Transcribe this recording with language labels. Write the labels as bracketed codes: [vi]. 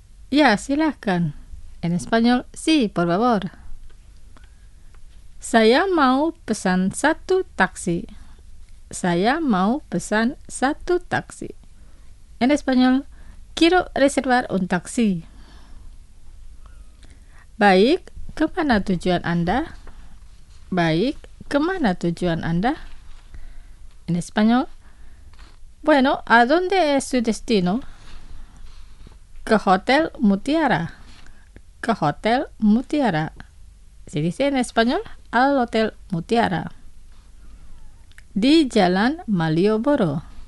[id] Ya, silahkan, [es] en español, sí, por favor. [id] Saya mau pesan satu taxi. Saya mau pesan satu taxi. [es] En español, quiero reservar un taxi. [id] Baik, kemana tujuan Anda? Baik, kemana tujuan Anda? [es] En español, bueno, ¿a dónde es su destino? [id] Ke Hotel Mutiara. Ke Hotel Mutiara. [es] Se dice en español, al Hotel Mutiara. [id] Di Jalan Malioboro.